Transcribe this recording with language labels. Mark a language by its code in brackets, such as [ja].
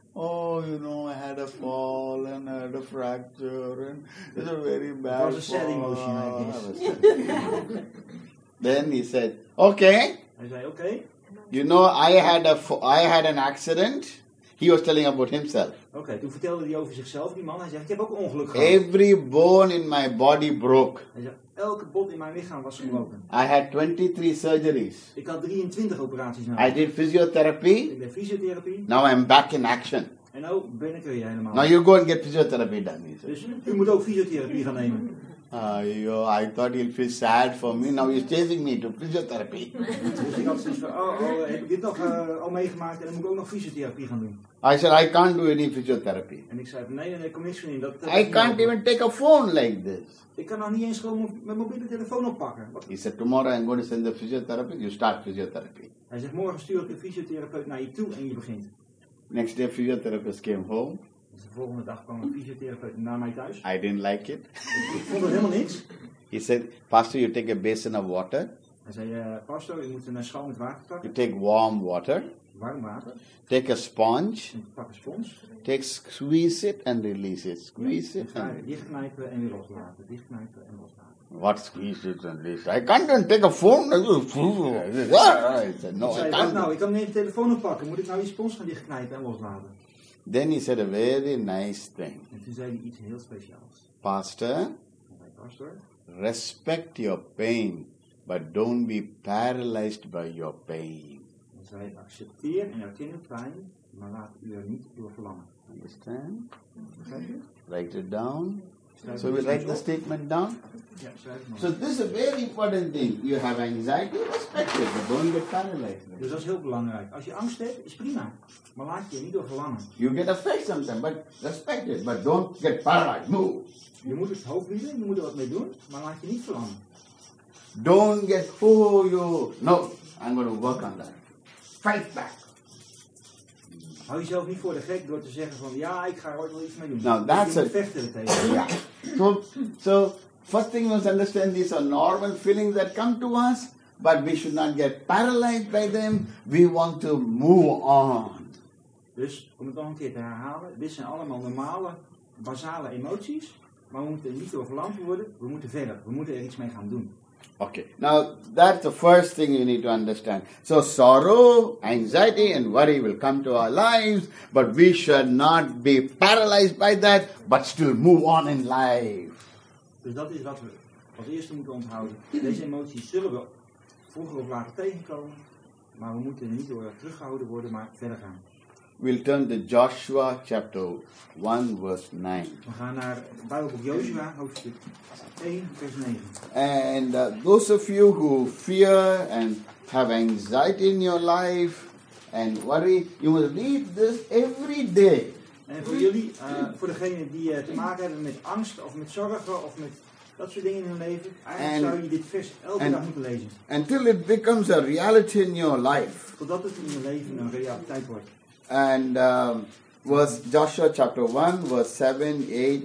[en] Oh, you know, I had a fall and I had a fracture and it's a very bad fall. It was a sad emotion, I guess. Then he said, okay. [nl] Hij zei, okay. [en] You know, I had an accident. He was telling about himself. [nl] Okay, toen vertelde hij over zichzelf, die man. Hij zegt, ik heb ook een ongeluk gehad. [en] Every bone in my body broke. [nl] Hij zei, elke bot in mijn lichaam was gebroken. [en] I had 23 surgeries. [nl] Ik had 23 operaties nodig. [en] I did physiotherapy. [nl] Ik deed fysiotherapie. [en] Now I'm back in action. [nl] En nu ben ik er weer helemaal. [en] Now you go and get physiotherapy done. [nl] Dus u moet ook fysiotherapie gaan nemen. [en] I thought he'll feel sad for me. Now he's chasing me to physiotherapy. [nl] Dus ik had zoiets van, oh, heb ik dit nog al meegemaakt en dan moet ik ook nog fysiotherapie gaan doen. [en] I said, I can't do any physiotherapy. [nl] En ik zei, nee, kom niks van in. [en] I can't even take a phone like this. [nl] Ik kan nog niet eens gewoon mijn mobiele telefoon oppakken. [en] He said, tomorrow I'm going to send the physiotherapist. You start physiotherapy. [nl] Hij zegt, morgen stuur ik de fysiotherapeut naar je toe en je begint. [en] Next day, physiotherapist came home. [nl] De volgende dag kwam een fysiotherapeut naar mij thuis. [en] I didn't like it. [nl] Ik vond het helemaal niks. [en] He said, Pastor, you take a basin of water. [nl] Hij zei, Pastor, je moet een schaal met water pakken. [en] You take warm water. [nl] Warm water. [en] Take a sponge. [nl] Pak een spons. [en] Take squeeze it and release it. Squeeze it. [nl] Dichtknijpen en weer loslaten. Dichtknijpen en loslaten. [en] What squeeze it and this? I can't even take a phone. I said, no, I can't. [nl] Nou, ik kan niet even telefoon oppakken. Moet ik nou die spons gaan dichtknijpen en loslaten? [en] Then he said a very nice thing. [nl] En toen zei hij iets heel speciaals. [en] Pastor. Hey, Pastor. Respect your pain, but don't be paralyzed by your pain. [nl] Hij zei, accepteer en erken het pijn, maar laat u er niet door verlangen. [en] Understand? Write it down. So we write the statement down. So this is a very important thing. You have anxiety, respect it. You don't get paralyzed. [nl] Dus dat is heel belangrijk. Als je angst hebt, is prima. Maar laat je niet door verlangen. [en] You get affected sometimes, but respect it. But don't get paralyzed. Move. [nl] Je moet het hoofd bieden, je moet er wat mee doen, maar laat je niet verlangen. [en] Don't get fooled. No, I'm going to work on that. Fight back. [nl] Hou jezelf niet voor de gek door te zeggen van ja, ik ga er ooit wel iets mee doen. [en] Nou, that's [nl] het. Vechten er tegen. Ja. [en] So, first thing we must understand, these are normal feelings that come to us, but we should not get paralyzed by them. We want to move on. [nl] Dus, om het nog een keer te herhalen, dit zijn allemaal normale, basale emoties, maar we moeten niet overlamd worden, we moeten verder, we moeten er iets mee gaan doen. [en] Okay, now that's the first thing you need to understand. So sorrow, anxiety and worry will come to our lives, but we should not be paralyzed by that, but still move on in life. [nl] Dus dat is wat we als eerste moeten onthouden. Deze emoties zullen we vroeger of later tegenkomen, maar we moeten niet door teruggehouden worden, maar verder gaan. [en] We'll turn to Joshua chapter 1 verse 9. [nl] We gaan naar Bijbelboek Joshua hoofdstuk 1 vers 9. [en] And those of you who fear and have anxiety in your life and worry, you must read this every day. [nl] En voor jullie, voor degenen die te maken hebben met angst of met zorgen of met dat soort dingen in hun leven, eigenlijk [en] and, [nl] zou je dit vers elke dag moeten lezen. [en] Until it becomes a reality in your life. [nl] Totdat het in je leven een realiteit wordt. [en] And was Joshua chapter 1, verse 7, 8,